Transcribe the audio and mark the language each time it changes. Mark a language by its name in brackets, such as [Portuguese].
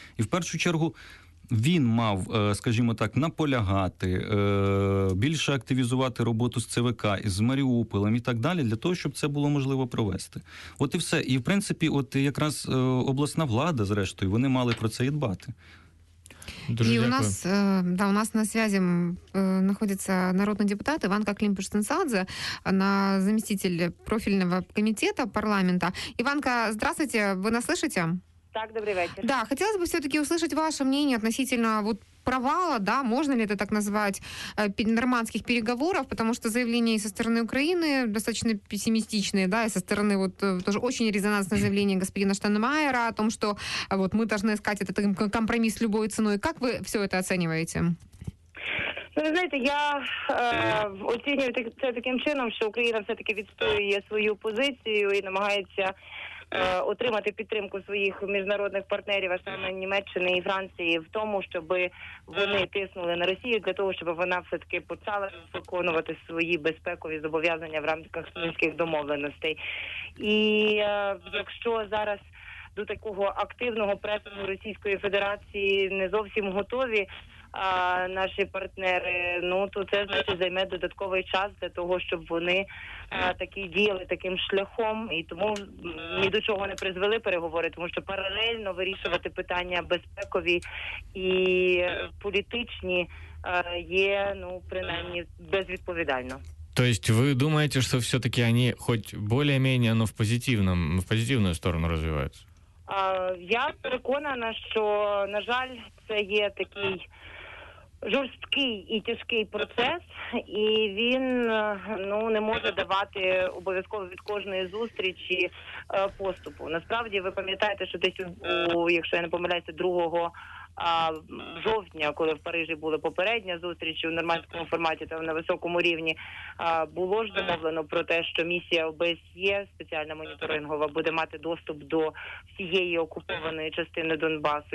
[Ukrainian] І в першу чергу він мав, скажімо так, наполягати, більше активізувати роботу з ЦВК, з Маріуполем і так далі, для того, щоб це було можливо провести. От і все. І, в принципі, от якраз обласна влада, зрештою, вони мали про це і дбати. Дуже дякую. [Russian] У нас на связи находится народный депутат Иванка Климпуш-Цинцадзе, она заместитель профильного комитета парламента. Иванка, здравствуйте, вы нас слышите? Так, добрый вечер. Да, хотелось бы все-таки услышать ваше мнение относительно вот провала, да, можно ли это так назвать, нормандских переговоров, потому что заявления и со стороны Украины достаточно пессимистичные, да, и со стороны вот тоже очень резонансное заявление господина Штайнмайера о том, что вот мы должны искать этот компромисс любой ценой. Как вы все это оцениваете? [Ukrainian] Ну, ви знаєте, я оцінюю це таким чином, що Україна все-таки відстоює свою позицію і намагається отримати підтримку своїх міжнародних партнерів, а саме Німеччини і Франції, в тому, щоб вони тиснули на Росію, для того, щоб вона все-таки почала виконувати свої безпекові зобов'язання в рамках мінських домовленостей. І якщо зараз до такого активного претину Російської Федерації не зовсім готові, наші партнери, ну то це значить займе додатковий час для того, щоб вони такі діяли таким шляхом, і тому ні до чого не призвели переговори, тому що паралельно вирішувати питання безпекові і політичні є, ну принаймні, безвідповідально. [Russian] То есть вы думаете, что все-таки они хоть более-менее, но в позитивную сторону развиваются? [Ukrainian] Я переконана, що, на жаль, це є такий жорсткий і тяжкий процес, і він ну не може давати обов'язково від кожної зустрічі поступу. Насправді, ви пам'ятаєте, що десь, якщо я не помиляюся, 2 жовтня, коли в Парижі була попередня зустріч у нормандському форматі та на високому рівні, було ж домовлено про те, що місія ОБСЄ, спеціальна моніторингова, буде мати доступ до всієї окупованої частини Донбасу.